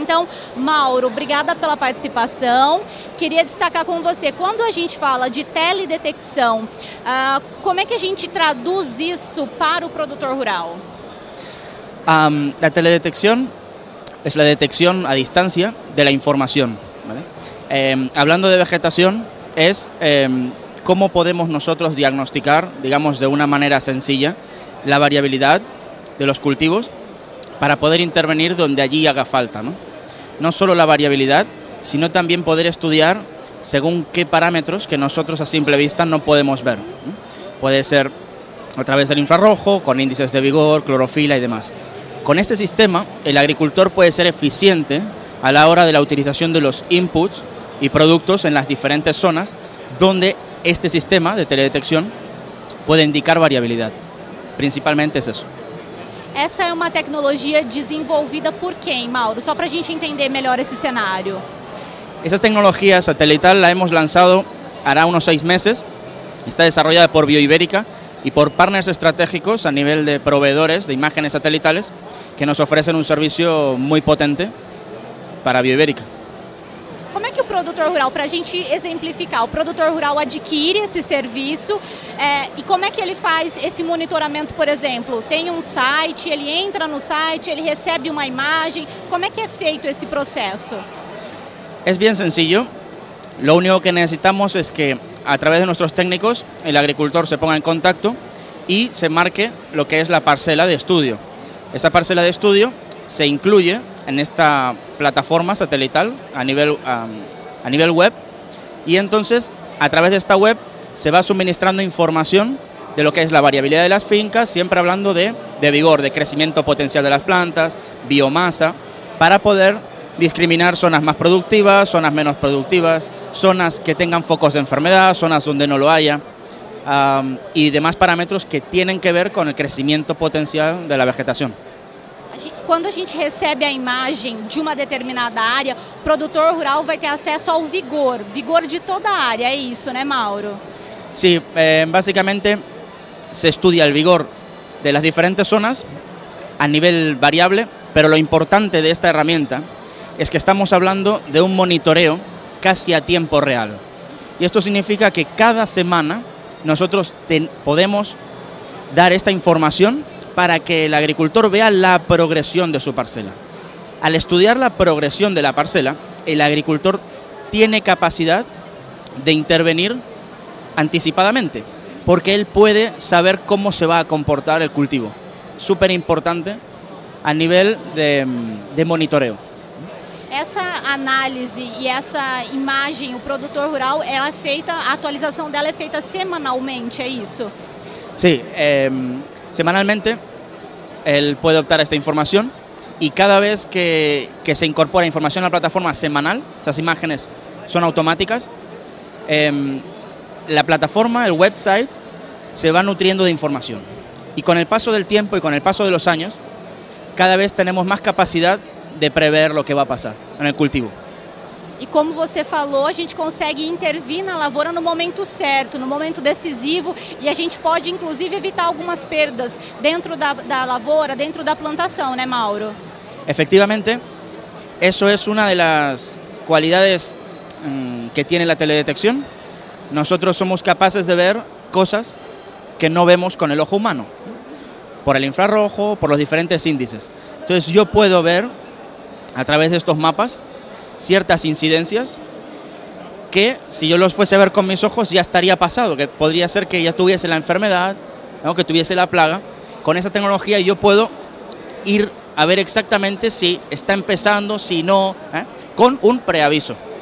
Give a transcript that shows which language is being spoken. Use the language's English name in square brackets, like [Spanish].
[Portuguese] Então, Mauro, obrigada pela participação. Queria destacar com você, quando a gente fala de teledetecção, como é que a gente traduz isso para o produtor rural? A teledetecção é a detecção a distância da informação. [Spanish] ¿Vale? Hablando de vegetação, es cómo podemos nosotros diagnosticar, digamos, de una manera sencilla la variabilidad de los cultivos para poder intervenir donde allí haga falta, ¿no? No solo la variabilidad, sino también poder estudiar según qué parámetros que nosotros a simple vista no podemos ver, ¿no? Puede ser a través del infrarrojo, con índices de vigor, clorofila y demás. Con este sistema, el agricultor puede ser eficiente a la hora de la utilización de los inputs y productos en las diferentes zonas donde este sistema de teledetección puede indicar variabilidad. Principalmente es eso. [Portuguese] Essa é uma tecnologia desenvolvida por quem, Mauro? Só para a gente entender melhor esse cenário. [Spanish] Esa tecnología satelital la hemos lanzado hará unos 6 meses. Está desarrollada por Bioibérica y por partners estratégicos a nivel de proveedores de imágenes satelitales que nos ofrecen un servicio muy potente para Bioibérica. [Portuguese] Como é que o produtor rural, para a gente exemplificar, o produtor rural adquire esse serviço e como é que ele faz esse monitoramento, por exemplo? Tem um site, ele entra no site, ele recebe uma imagem, como é que é feito esse processo? É bem sencillo. [Spanish] Lo único que necesitamos es que, a través de nuestros técnicos, el agricultor se ponga en contacto y se marque lo que es la parcela de estudio. Esa parcela de estudio se incluye en esta plataforma satelital a nivel web, y entonces a través de esta web se va suministrando información de lo que es la variabilidad de las fincas, siempre hablando de vigor, de crecimiento potencial de las plantas, biomasa, para poder discriminar zonas más productivas, zonas menos productivas, zonas que tengan focos de enfermedad, zonas donde no lo haya, y demás parámetros que tienen que ver con el crecimiento potencial de la vegetación. [Portuguese] Quando a gente recebe a imagem de uma determinada área, o produtor rural vai ter acesso ao vigor, vigor de toda a área, é isso, né, Mauro? [Spanish] Sim, basicamente se estudia o vigor de las diferentes zonas a nivel variable, pero lo importante de esta herramienta es que estamos hablando de un monitoreo casi a tiempo real. Y esto significa que cada semana nosotros podemos dar esta información para que el agricultor vea la progresión de su parcela. Al estudiar la progresión de la parcela, el agricultor tiene capacidad de intervenir anticipadamente, porque él puede saber cómo se va a comportar el cultivo. Súper importante a nivel de monitoreo. [Portuguese] Essa análise e essa imagem, o produtor rural, ela é feita, a atualização dela é feita semanalmente, é isso? [Spanish] Sim, semanalmente él puede optar a esta información, y cada vez que se incorpora información a la plataforma semanal, estas imágenes son automáticas, la plataforma, el website, se va nutriendo de información. Y con el paso del tiempo y con el paso de los años, cada vez tenemos más capacidad de prever lo que va a pasar en el cultivo. [Portuguese] E como você falou, a gente consegue intervir na lavoura no momento certo, no momento decisivo, e a gente pode, inclusive, evitar algumas perdas dentro da lavoura, dentro da plantação, né, Mauro? Efectivamente, isso é uma das qualidades que tem a teledetecção. Nós somos capazes de ver coisas que não vemos com o [Spanish] ojo humano, por el infrarrojo, [Portuguese] por os diferentes índices. Então, eu posso ver, [Spanish] a través de estos mapas, ciertas incidencias que, si yo los fuese a ver con mis ojos, ya estaría pasado, que podría ser que ya tuviese la enfermedad, ¿no?, que tuviese la plaga. Con esa tecnología yo puedo ir a ver exactamente si está empezando, si no, ¿eh?, con un preaviso.